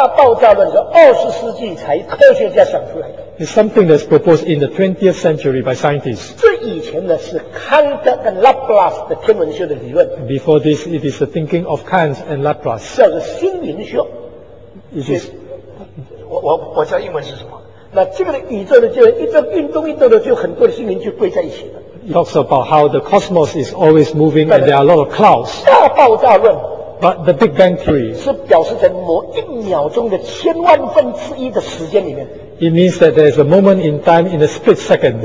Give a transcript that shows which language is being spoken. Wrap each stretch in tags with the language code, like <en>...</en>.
<zh>大爆炸论，那大爆炸论是20世纪才科学家想出来的。</zh> <en>It's something that's proposed in the 20th century by scientists.</en> <zh>最以前呢是康德跟拉普拉斯的天文学的理论。</zh> <en>Before this, it is the thinking of Kant and Laplace.</en> <zh>叫做星云学。</zh> <en>It is.</en> <zh>我知道英文是什么。那这个宇宙的就一直运动的就很多的星云就归在一起了。</zh> <en>Talks about how the cosmos is always moving and there are a lot of clouds.</en> <zh>大爆炸论。</zh> <en>But the Big Bang Theory</en> <zh>是表示在某一秒钟的千万分之一的时间里面。</zh> <en>It means that there is a moment in time in a split second.</en>